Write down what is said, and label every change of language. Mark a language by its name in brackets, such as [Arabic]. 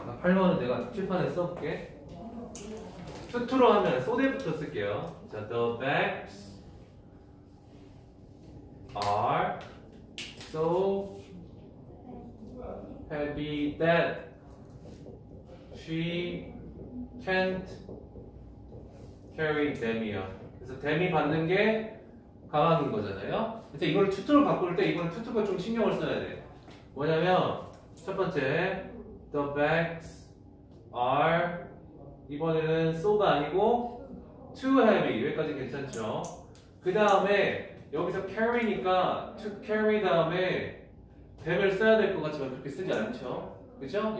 [Korean] 8번은 내가 칠판에 써볼게. 투투로 하면 소대부터 쓸게요. [English] 자, the bags are so heavy that she can't carry them이요. [Korean] 그래서 them이 받는 게 강한 거잖아요. 이제 이걸 투투로 바꿀 때 이번에 투투가 좀 신경을 써야 돼. 뭐냐면 첫 번째 the bags are 이번에는 so가 아니고 too heavy. 여기까지 괜찮죠. 그 다음에 여기서 carry니까 to carry 다음에 them을 써야 될 것 같지만 그렇게 쓰지 않죠. 그죠?